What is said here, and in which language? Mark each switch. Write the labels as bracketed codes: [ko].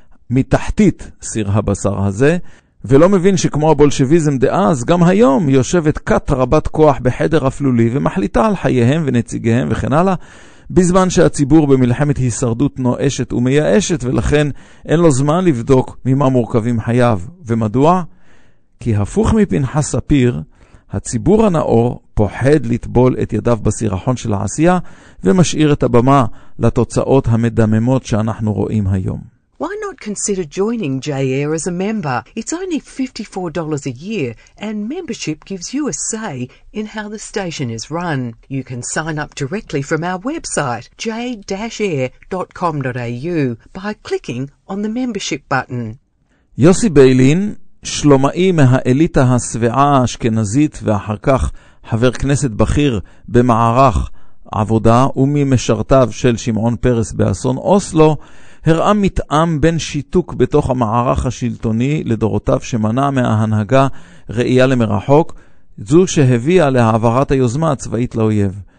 [he] מתחתית סיר הבשר הזה, ולא מבין שכמו הבולשביזם דאז, גם היום יושבת קט רבת כוח בחדר הפלולי ומחליטה על חייהם ונציגיהם וכן הלאה, בזמן שהציבור במלחמת הישרדות נואשת ומייאשת, ולכן אין לו זמן לבדוק ממה מורכבים חייו. ומדוע? כי הפוך מפנחס ספיר, הציבור הנאור פוחד לטבול את ידיו בסירחון של העשייה ומשאיר את הבמה לתוצאות המדממות שאנחנו רואים היום. [en] Why not consider joining Jair as a member? It's only $54 a year, and membership gives you a say in how the station is run. You can sign up directly from our website, j-air.com.au, by clicking on the membership button. [he] יוסי ביילין, שלומאי מהאליטה הסבעה האשכנזית ואחר כך חבר כנסת בכיר במערך עבודה וממשרתיו של שמעון פרס באסון אוסלו, הראה מתאם בין שיתוק בתוך המערך השלטוני לדורותיו שמנע מההנהגה ראייה למרחוק, זו שהביאה להעברת היוזמה הצבאית לאויב.